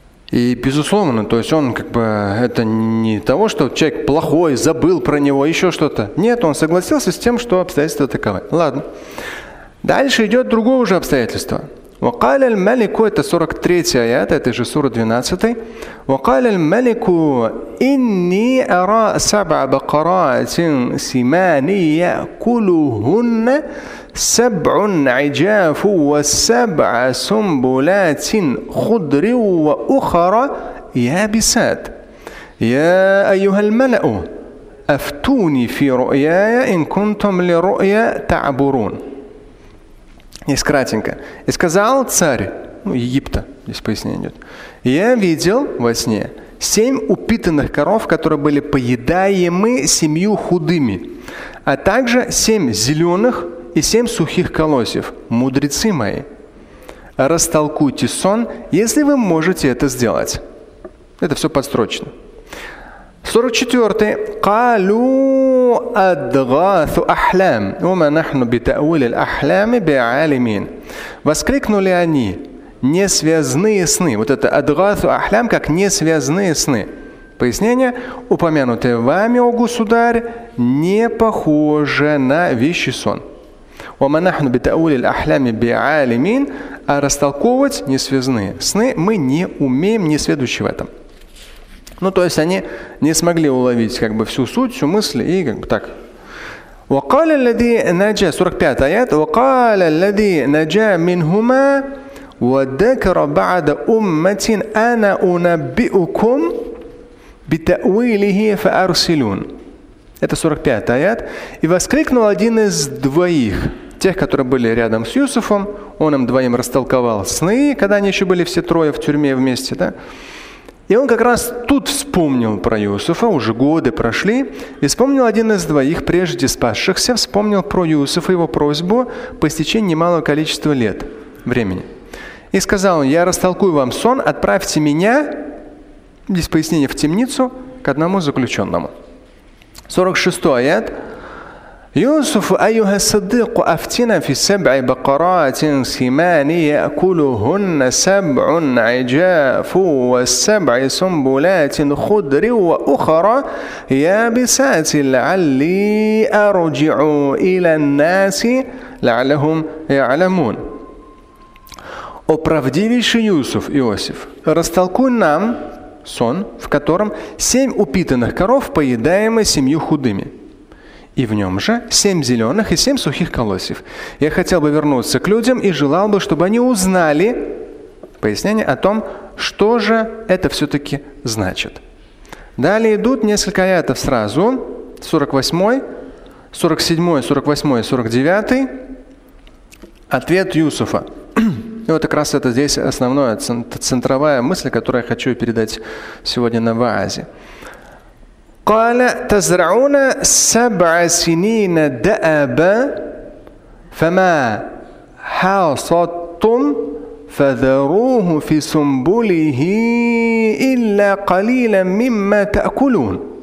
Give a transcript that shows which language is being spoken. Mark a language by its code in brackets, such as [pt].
[ru] И безусловно, то есть он как бы, это не того, что человек плохой, забыл про него, еще что-то. Нет, он согласился с тем, что обстоятельства таковы. Ладно. Дальше идет другое уже обстоятельство. [ar] وقال الملك [ru] это 43 аят этой же суры 12. [ar] وقال الملك إني أرى سبع بقرات سمان يأكلهن سبع عجاف وسبع سنبلات خضر وأخرى يابسات يا أيها الملأ أفتوني في رؤياي إن كنتم لرؤيا تعبرون. [ru] Есть кратенько. И сказал царь, ну, Египта, здесь пояснение идет, я видел во сне семь упитанных коров, которые были поедаемы семью худыми, а также семь зеленых и семь сухих колосьев. Мудрецы мои, растолкуйте сон, если вы можете это сделать. Это все подстрочно. [ar] 44-й. Калю адгасу ахлям. Ума нахну битауль ахлями биалимин. [ru] Воскликнули они, несвязные сны. Вот это [ar] адгасу ахлям, [ru] как несвязные сны. Пояснение. Упомянутое вами, о государь, не похоже на вещий сон. [ar] Ума нахну битауль ахлями биалимин. [ru] А растолковывать несвязные сны мы не умеем, не сведущи в этом. Ну, то есть они не смогли уловить как бы всю суть, всю мысль и как бы так. [ar] وَقَالَ الَّذِي نَجَى 45 аят. وَقَالَ الَّذِي نَجَى مِنْهُمَا وَدَكَرَ بَعْدَ أُمَّةٍ أَنَا أُنَبِّئُكُمْ بِتَأْوِيلِهِ فَأَرْسِلُونَ. [ru] Это 45 аят. И воскликнул один из двоих, тех, которые были рядом с Юсуфом. Он им двоим растолковал сны, когда они еще были все трое в тюрьме вместе, да? И он как раз тут вспомнил про Юсуфа, уже годы прошли, и вспомнил один из двоих прежде спасшихся, вспомнил про Юсуфа и его просьбу по истечении немалого количества лет времени. И сказал он, я растолкую вам сон, отправьте меня, здесь пояснение, в темницу, к одному заключенному. 46 аят. [ar] يوسف أيها الصديق أفتنا في سبع بقرات سمان يأكلهن سبع عجاف وسبع سنبلات خضر وأخرى يابسات لعلي أرجع إلى الناس لعلهم يعلمون. [ru] О правдивейший Юсуф, Иосиф, растолкуй нам сон, в котором семь упитанных коров поедаемы семью худыми. И в нем же семь зеленых и семь сухих колосьев. Я хотел бы вернуться к людям и желал бы, чтобы они узнали пояснение о том, что же это все-таки значит. Далее идут несколько аятов сразу. 48, 47, 48, 49. Ответ Юсуфа. И вот как раз это здесь основная центровая мысль, которую я хочу передать сегодня на ВААЗе. [ar] قال تزرعون سبع سنين دأبا فما حصدتم فذروه في سنبله إلا قليلا مما تأكلون.